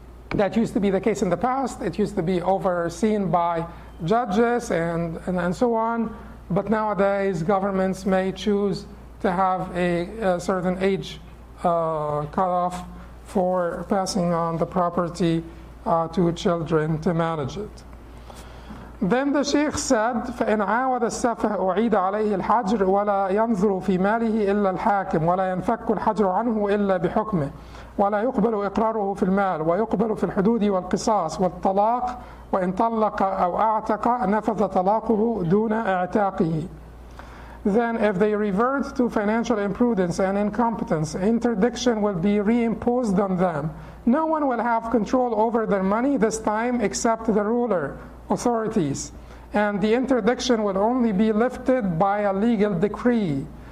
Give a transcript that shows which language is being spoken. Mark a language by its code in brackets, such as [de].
[en] That used to be the case in the past. It used to be overseen by judges and so on. But nowadays, governments may choose to have a certain age cutoff for passing on the property to children to manage it. Then the Sheikh said, [ar] فَإِنْ عَاوَدَ السَّفَهُ أُعِيدَ عَلَيْهِ الْحَجْرُ وَلَا يَنْظُرُ فِي مَالِهِ إِلَّا الْحَاكِمُ وَلَا يَنْفَكُّ الْحَجْرُ عَنْهُ إِلَّا بِحُكْمِهِ وَلَا يُقْبَلُ إِقْرَارُهُ فِي الْمَالِ وَيُقْبَلُ فِي الْحُدُودِ وَالْقِصَاصِ وَالطَّلَاقِ وَإِنْ طَلَّقَ أَوْ أَعْتَقَ نَفَذَ طَلَاقُهُ دُونَ إِعْتَاقِهِ. [en] Then if they revert to financial imprudence and incompetence, interdiction will be reimposed on them. No one will have control over their money this time except the ruler, authorities, and the interdiction will only be lifted by a legal decree.